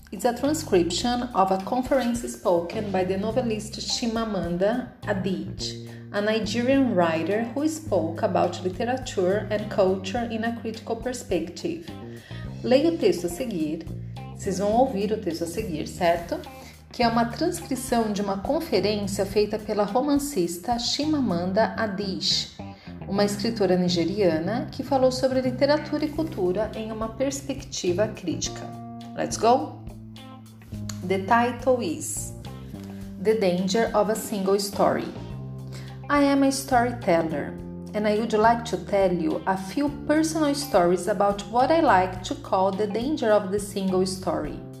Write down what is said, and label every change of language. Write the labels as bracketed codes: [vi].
[en] It's a transcription of a conference spoken by the novelist Chimamanda Adichie, a Nigerian writer who spoke about literature and culture in a critical perspective. [pt] Leia o texto a seguir. Vocês vão ouvir o texto a seguir, certo? Que é uma transcrição de uma conferência feita pela romancista Chimamanda Adichie, uma escritora nigeriana que falou sobre literatura e cultura em uma perspectiva crítica. [en] Let's go! The title is The Danger of a Single Story. I am a storyteller, and I would like to tell you a few personal stories about what I like to call the danger of the single story.